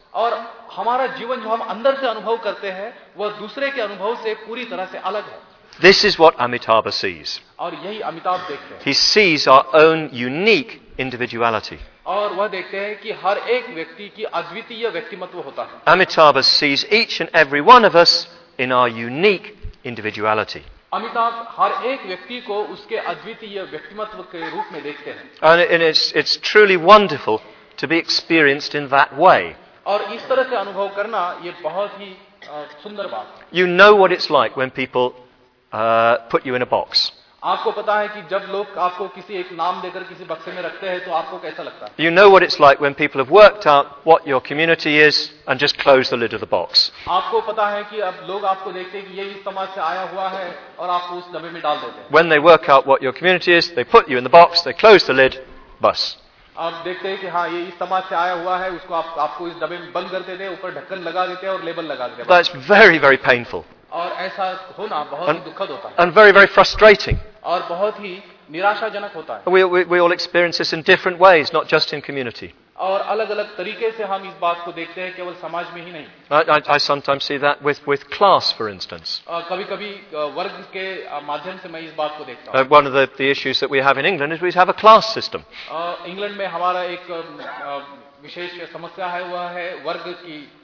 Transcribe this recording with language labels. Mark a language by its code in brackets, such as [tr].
[hi] और हमारा जीवन जो हम अंदर से अनुभव करते हैं वह दूसरे के अनुभव से पूरी तरह से अलग है. [en] This is what Amitabha sees. [hi] और यही अमिताभ देखते हैं. [en] He sees our own unique individuality. [hi] और वह देखते हैं कि हर एक व्यक्ति की अद्वितीय व्यक्तिमत्व होता है. [en] Amitabha sees each and every one of us in our unique individuality. [hi] Amitabh हर एक व्यक्ति को उसके अद्वितीय व्यक्तिमत्व के रूप में देखते हैं. [en] And it's truly wonderful to be experienced in that way. [hi] और इस तरह से अनुभव करना ये बहुत ही सुंदर बात. [en] You know what it's like when people put you in a box. [hi] आपको पता है कि जब लोग आपको किसी एक नाम देकर किसी बक्से में रखते हैं तो आपको कैसा लगता है? [en] You know what it's like when people have worked out what your community is and just close the lid of the box. [hi] आपको पता है कि अब लोग आपको देखते हैं कि ये इस समाज से आया हुआ है और आपको उस डब्बे में डाल देते हैं. [en] When they work out what your community is, they put you in the box, they close the lid, [hi] बस आप देखते हैं कि हाँ ये इस समाज से आया हुआ है उसको आप आपको इस डब्बे में बंद कर देते हैं ऊपर ढक्कन लगा देते हैं और लेबल लगा देते हैं [en] that's very very painful [hi] और ऐसा होना बहुत ही दुखद होता है [en] and very very frustrating [hi] और बहुत ही निराशाजनक होता है [en] we all experience this in different ways not just in community [hi] और अलग-अलग तरीके से हम इस बात को देखते हैं केवल समाज में ही नहीं [en] I sometimes see that with class for instance [hi] कभी-कभी वर्ग के माध्यम से मैं इस बात को देखता हूं [en] one of the issues that we have in England is we have a class system [hi] England में हमारा एक विशेष समस्या है वह है वर्ग की